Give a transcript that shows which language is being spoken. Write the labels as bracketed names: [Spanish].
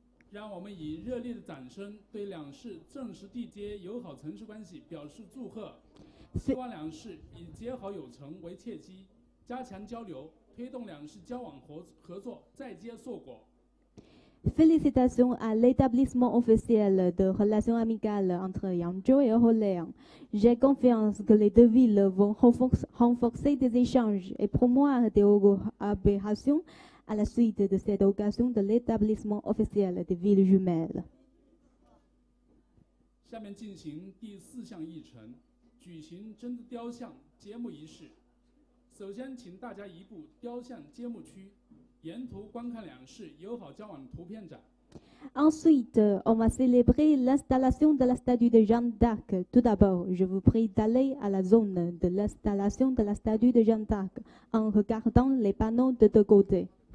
[Chinese] 让我们以热烈的掌声对两市正式缔结友好城市关系表示祝贺。希望两市以结好友城为契机，加强交流，推动两市交往合作再接硕果。 [French] Félicitations à l'établissement officiel de relations amicales entre Yangzhou et Orléans. J'ai confiance que les deux villes vont renforcer des échanges et promouvoir des coopérations à la suite de cette occasion de l'établissement officiel des villes jumelles. [Chinese] 下面进行第四项议程，举行真的雕像揭幕仪式。首先，请大家移步雕像揭幕区，沿途观看两市友好交往图片展。 [French] Ensuite, on va célébrer l'installation de la statue de Jeanne d'Arc. Tout d'abord, je vous prie d'aller à la zone de l'installation de la statue de Jeanne d'Arc en regardant les panneaux de deux côtés.